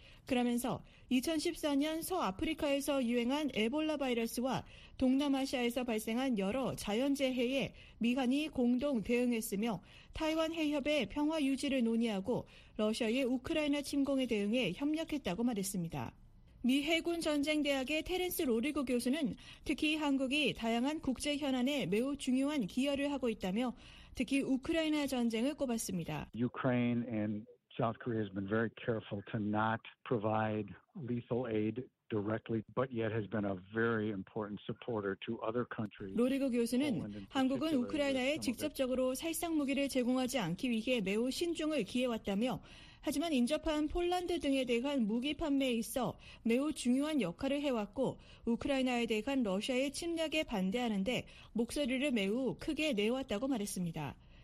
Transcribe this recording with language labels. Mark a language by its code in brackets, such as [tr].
[ko] 그러면서 2014년 서아프리카에서 유행한 에볼라 바이러스와 동남아시아에서 발생한 여러 자연재해에 미한이 공동 대응했으며 타이완 해협의 평화 유지를 논의하고 러시아의 우크라이나 침공에 대응해 협력했다고 말했습니다. 미 해군 전쟁대학의 테렌스 로리고 교수는 특히 한국이 다양한 국제 현안에 매우 중요한 기여를 하고 있다며 특히 우크라이나 전쟁을 꼽았습니다. [en] Ukraine and South Korea has been very careful to not provide lethal aid directly, but yet has been a very important supporter to other countries. [ko] 로리그 교수는 한국은 우크라이나에 직접적으로 살상 무기를 제공하지 않기 위해 매우 신중을 기해왔다며, 하지만 인접한 폴란드 등에 대한 무기 판매에 있어 매우 중요한 역할을 해왔고 우크라이나에 대한 러시아의 침략에 반대하는 데 목소리를 매우 크게 내왔다고 말했습니다.